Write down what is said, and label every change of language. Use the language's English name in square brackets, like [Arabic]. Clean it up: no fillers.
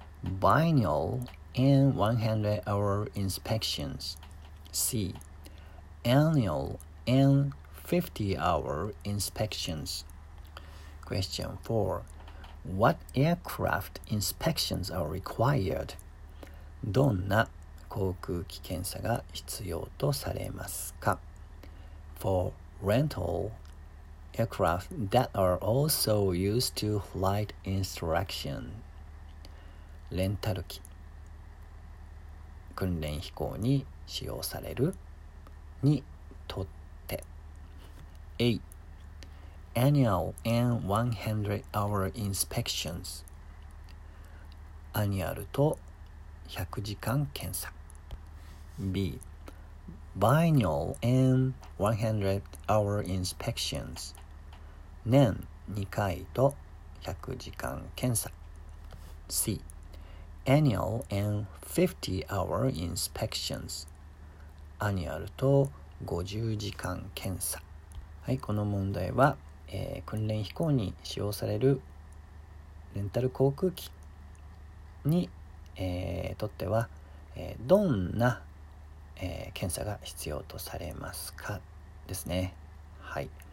[English] Biennial and 100-hour inspections. C. Annual and 50-hour inspections. Question 4. What aircraft inspections are required? [Japanese] どんな航空機検査が必要とされますか? [English] For rental aircraft that are also used to flight instruction. [Japanese] レンタル機。訓練飛行に使用される。にとって。A. [English] Annual and 100-hour inspections. [Japanese] Annual と100時間検査。 [English] B. Biennial and 100-hour inspections. [Japanese] 年2回と100時間検査。C. [English] Annual and 50-hour inspections. [Japanese] Annual と50時間検査。はい、この問題は訓練飛行に使用されるレンタル航空機に、とっては、どんな、検査が必要とされますかですね。はい。